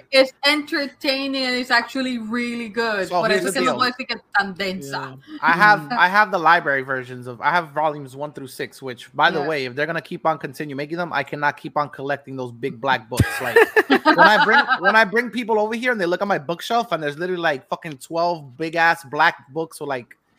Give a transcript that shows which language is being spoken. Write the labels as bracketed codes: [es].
[en] Pero it's entertaining and it's actually really good. [es] So por eso que no puedo decir que es tan densa. [en] I have the library versions of... I have volumes 1-6, which, by the way, if they're going to keep on continue making them, I cannot keep on collecting those big black books. Like when I bring people over here and they look at my bookshelf and there's literally like fucking 12 big-ass black books with like...